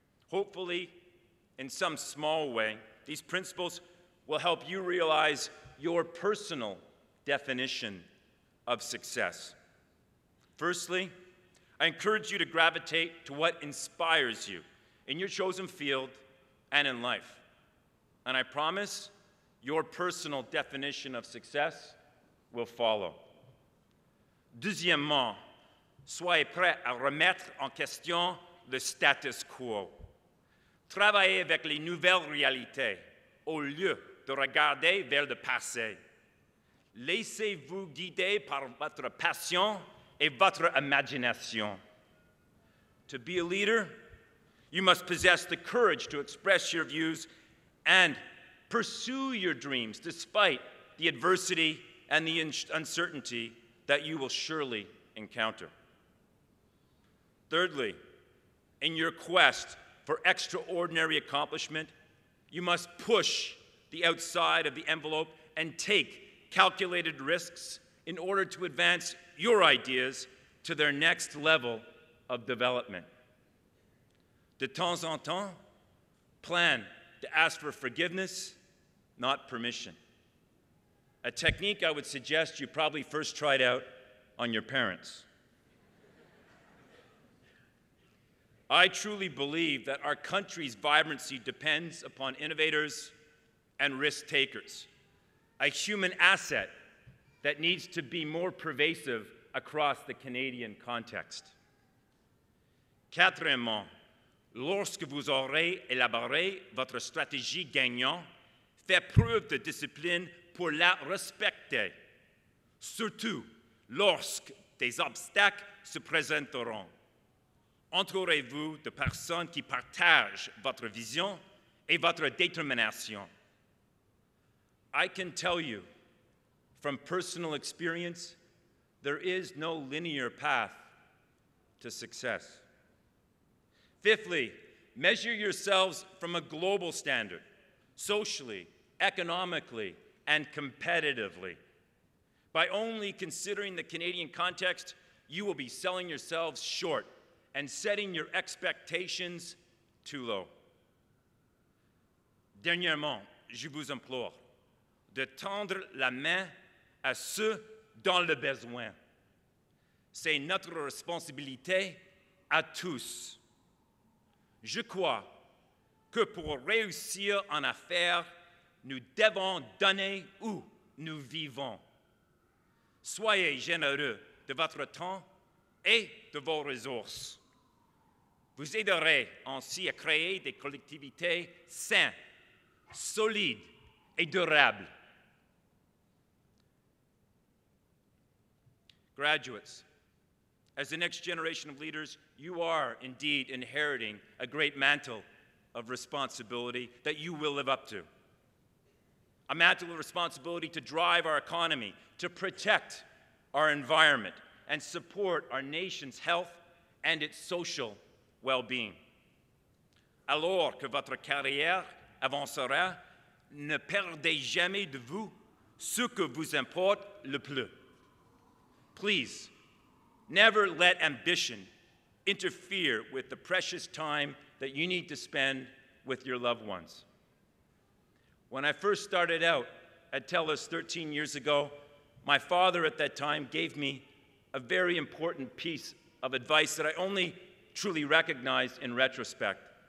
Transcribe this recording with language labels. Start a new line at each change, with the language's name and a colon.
English: Hopefully, in some small way, these principles will help you realize your personal definition of success. Firstly, I encourage you to gravitate to what inspires you in your chosen field and in life. And I promise your personal definition of success will follow.
French: Deuxièmement, soyez prêt à remettre en question le status quo. Travaillez avec les nouvelles réalités au lieu de regarder vers le passé. Laissez-vous guider par votre passion et votre imagination.
English: To be a leader, you must possess the courage to express your views and pursue your dreams despite the adversity and the uncertainty that you will surely encounter. Thirdly, in your quest for extraordinary accomplishment, you must push the outside of the envelope and take calculated risks in order to advance your ideas to their next level of development.
French: De temps en temps,
English: plan to ask for forgiveness, not permission. A technique I would suggest you probably first tried out on your parents. I truly believe that our country's vibrancy depends upon innovators and risk takers, a human asset that needs to be more pervasive across the Canadian context.
French: Quatrièmement, lorsque vous aurez élaboré votre stratégie gagnante, faites preuve de discipline pour la respecter, surtout lorsque des obstacles se présenteront. Entourez-vous de personnes qui partagent votre vision et votre détermination.
English: I can tell you, from personal experience, there is no linear path to success. Fifthly, measure yourselves from a global standard, socially, economically, and competitively. By only considering the Canadian context, you will be selling yourselves short and setting your expectations too low.
French: Dernièrement, je vous implore de tendre la main à ceux dans le besoin. C'est notre responsabilité à tous. Je crois que pour réussir en affaires, nous devons donner où nous vivons. Soyez généreux de votre temps et de vos ressources. Vous aiderez ainsi à créer des collectivités saines, solides et durables.
English: Graduates, as the next generation of leaders, you are indeed inheriting a great mantle of responsibility that you will live up to. A mantle of responsibility to drive our economy, to protect our environment, and support our nation's health and its social well-being.
French: Alors que votre carrière avancera, ne perdez jamais de vue ce que vous importe le plus.
English: Please, never let ambition interfere with the precious time that you need to spend with your loved ones. When I first started out at TELUS 13 years ago, my father at that time gave me a very important piece of advice that I only truly recognized in retrospect.